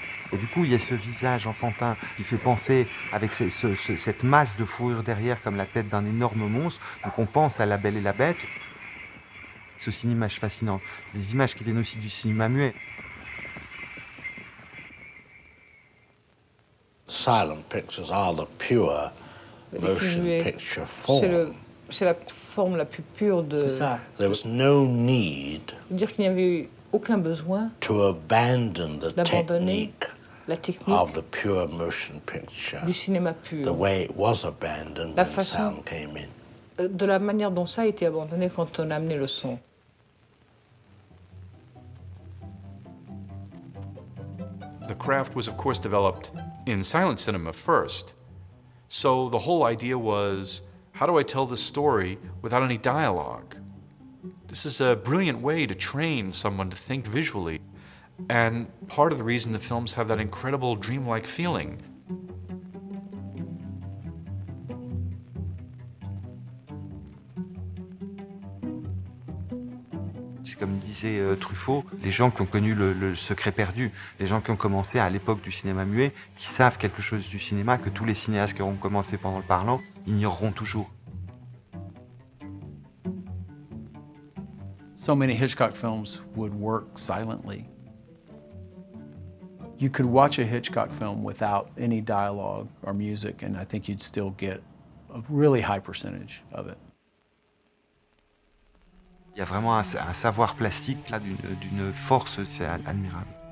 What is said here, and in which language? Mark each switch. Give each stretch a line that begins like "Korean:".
French: Et du coup, il y a ce visage enfantin qui fait penser, avec cette masse de fourrure derrière comme la tête d'un énorme monstre. Donc on pense à La Belle et la Bête. C'est aussi une image fascinante. C'est des images qui viennent aussi du cinéma muet.
English: Silent pictures are the pure motion picture form.
French: C'est la forme la plus pure de. C'est ça.
English: There was no need.
French: Dire qu'il n'y avait eu aucun besoin.
English: To abandon the technique.
French: La technique.
English: Of the pure motion picture.
French: Du cinéma pur.
English: The way it was abandoned
French: la
English: when
French: façon,
English: the sound came in.
French: De la manière dont ça a été abandonné quand on a amené le son.
English: The craft was, of course, developed in silent cinema first. So the whole idea was, how do I tell this story without any dialogue? This is a brilliant way to train someone to think visually. And part of the reason the films have that incredible dreamlike feeling.
French: Comme disait Truffaut, les gens qui ont connu le secret perdu, les gens qui ont commencé à l'époque du cinéma muet, qui savent quelque chose du cinéma, que tous les cinéastes qui auront commencé pendant le parlant ignoreront toujours.
English: So many Hitchcock films would work silently. You could watch a Hitchcock film without any dialogue or music, and I think you'd still get a really high percentage of it.
French: Il y a vraiment un savoir plastique là, d'une force, c'est admirable.